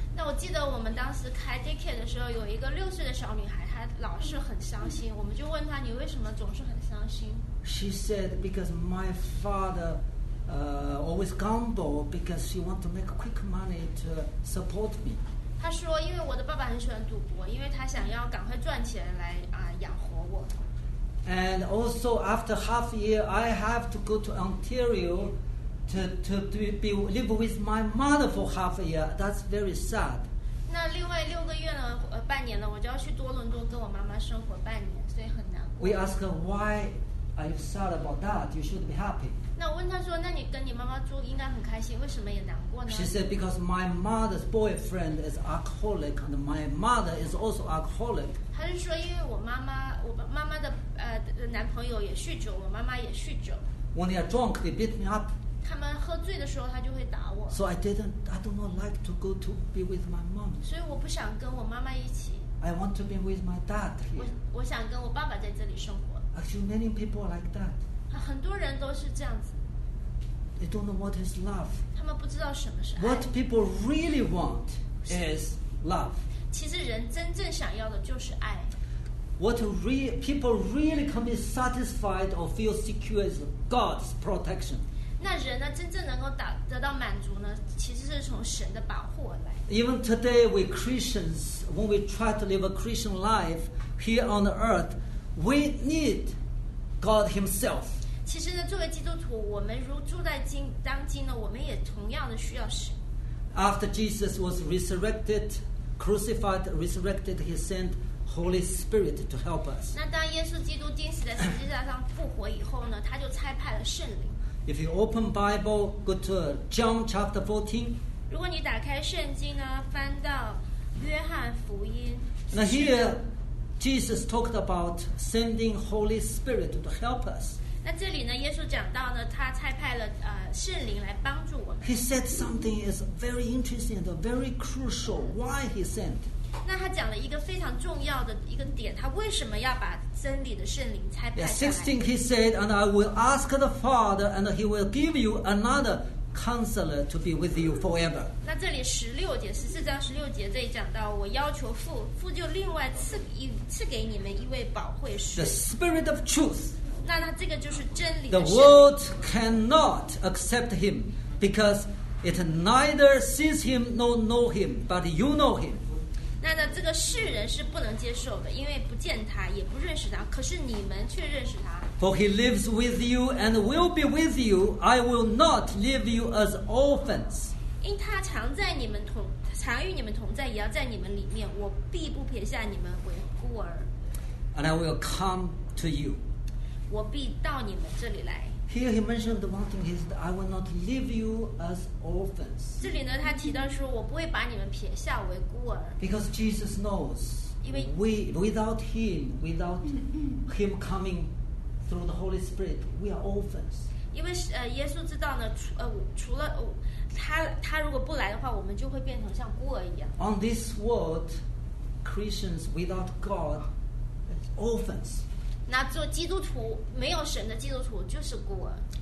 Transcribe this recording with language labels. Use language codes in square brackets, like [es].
[zh] 那我记得我们当时开 daycare 的时候，有一个六岁的小女孩，她老是很伤心。我们就问她，你为什么总是很伤心 [en] ？She said, "Because my father, always gamble because she want to make quick money to support me." [zh] 她说，因为我的爸爸很喜欢赌博，因为他想要赶快赚钱来养活。 [en] And also after half a year, I have to go to Ontario to live with my mother for half a year. That's very sad. [zh] 那另外六个月呢？半年呢？我就要去多伦多跟我妈妈生活半年，所以很难过。 [en] We ask her why are you sad about that? You should be happy. [zh] 那我问她说，那你跟你妈妈住应该很开心，为什么也难过呢 [en] ？She said because my mother's boyfriend is alcoholic and my mother is also alcoholic. [zh] 她是说，因为我妈妈的男朋友也酗酒，我妈妈也酗酒。 [en] When they are drunk, they beat me up. [zh] 他们喝醉的时候，他就会打我。 [en] So I do not like to go to be with my mom. [zh] 所以我不想跟我妈妈一起。 [en] I want to be with my dad here. [zh] 我想跟我爸爸在这里生活。 [en] Actually, many people are like that. [zh] 很多人都是这样子。 [en] They don't know what is love. [zh] 他们不知道什么是爱。 [en] What people really want is love. [zh] 其实人真正想要的就是爱。 [en] What people really can be satisfied or feel secure is God's protection. [zh] 那人呢，真正能够得到满足呢，其实是从神的保护而来。 [en] Even today, we Christians, when we try to live a Christian life here on the earth, we need God Himself. [zh] 其实呢，作为基督徒，我们如住在当今呢，我们也同样的需要神。 [en] After Jesus was resurrected, crucified, resurrected, He sent Holy Spirit to help us. [zh] 那当耶稣基督钉死在十字架上复活以后呢，他就差派了圣灵。 [en] If you open Bible, go to John chapter 14. [zh] 如果你打开圣经呢，翻到约翰福音。 [en] Now here, Jesus talked about sending Holy Spirit to help us. [zh] 那这里呢，耶稣讲到呢，他差派了圣灵来帮助我们。 [en] He said something is very interesting and very crucial. Why he sent? [zh] 那他讲了一个非常重要的一个点，他为什么要把真理的圣灵差派下来 [en] ？16, he said, and I will ask the Father, and He will give you another Counselor to be with you forever. [zh] 那这里十六节，十四章十六节这里讲到，我要求父就另外赐给你们一位保惠师。 [en] The Spirit of Truth. [zh] 那他这个就是真理的圣。 [en] The world cannot accept Him because it neither sees Him nor know Him, but you know Him. [zh] 那呢，这个世人是不能接受的，因为不见他，也不认识他。可是你们却认识他。 [en] For he lives with you and will be with you. I will not leave you as orphans. [zh] 因他常与你们同在，也要在你们里面。我必不撇下你们为孤儿。 [en] And I will come to you. [zh] 我必到你们这里来。 [en] Here he mentioned one thing. He said, "I will not leave you as orphans." [zh] 这里呢，他提到说，我不会把你们撇下为孤儿。 [en] Because Jesus knows, without him, without him coming through the Holy Spirit, we are orphans. [zh] 因为耶稣知道呢，除了他如果不来的话，我们就会变成像孤儿一样。 [en] On this world, Christians without God, orphans. [zh] 那做基督徒没有神的基督徒就是孤儿。